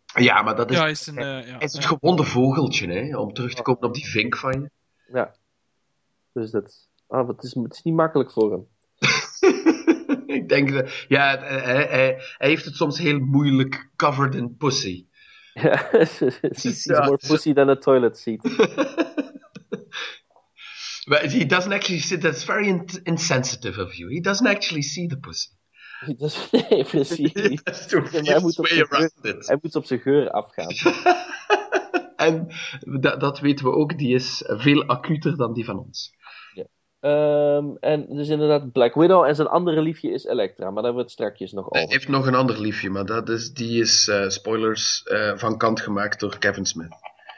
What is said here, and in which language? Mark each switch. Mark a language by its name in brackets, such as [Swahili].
[Dutch] Ja, maar dat is, ja, is het gewonde vogeltje, hè, om terug te komen op die vink van je. Ja. Dus dat het is niet makkelijk voor hem. Ik denk, hij heeft het soms heel moeilijk [English] covered in pussy. Ja, he's more pussy than a toilet seat. But he doesn't actually see, that's very insensitive of you. He doesn't actually see the pussy. [Dutch] Nee, precies. Hij moet [English] way around it. [Dutch] Hij moet op zijn geur afgaan. En dat weten we ook, die is veel acuter dan die van ons. En dus inderdaad Black Widow en zijn andere liefje is Elektra, maar daar wordt strakjes nog over. Hij heeft nog een ander liefje, maar die is spoilers van kant gemaakt door Kevin Smith.